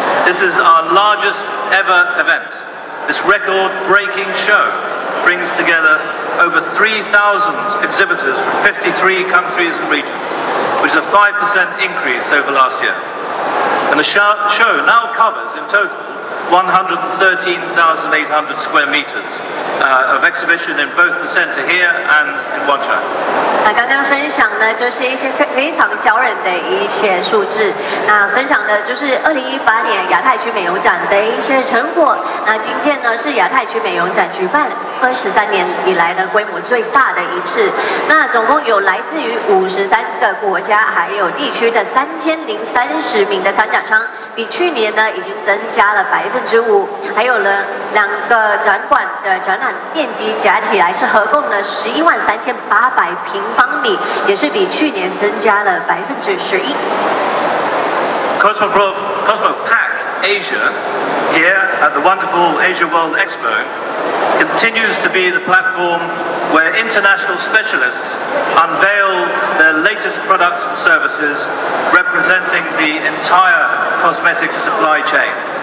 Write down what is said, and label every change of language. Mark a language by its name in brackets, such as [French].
[English] This is our largest ever event. This record-breaking show brings together over 3,000 exhibitors from 53 countries and regions, which is a 5% increase over last year. And the show now covers in total 113,800 square meters. Of exhibition in both the center here and in Wanchai. [Chinese] 那刚刚分享呢，就是一些非常骄人的一些数字。那分享的就是2018年亚太区美容展的一些成果。那今天呢，是亚太区美容展举办23年以来的规模最大的一次。那总共有来自于53个国家还有地区的3030名的参展商。比去年呢已经增加了5%，还有呢两个展馆的展览面积加起来是合共呢113,800平方米，也是比去年增加了11%。 [English] Cosmopack Asia here at the wonderful Asia World Expo continues to be the platform where international specialists unveil their latest products and services representing the entireCosmetics supply chain.